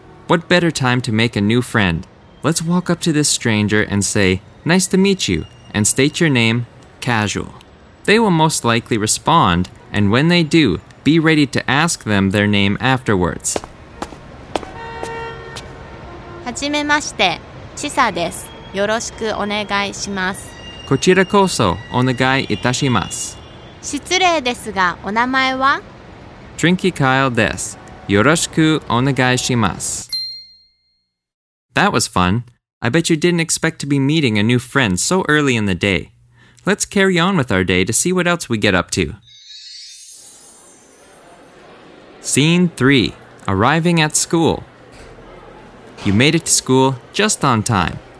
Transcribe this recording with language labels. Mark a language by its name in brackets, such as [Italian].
[English] What better time to make a new friend? Let's walk up to this stranger and say, nice to meet you, and state your name, casual. They will most likely respond, and when they do, be ready to ask them their name afterwards. [Japanese] はじめまして、ちさです。よろしくお願いします。こちらこそお願いいたします。失礼ですが、お名前は？ Trinky Kyle です。よろしくお願いします。 [English] That was fun. I bet you didn't expect to be meeting a new friend so early in the day. Let's carry on with our day to see what else we get up to. Scene 3. Arriving at school. You made it to school just on time.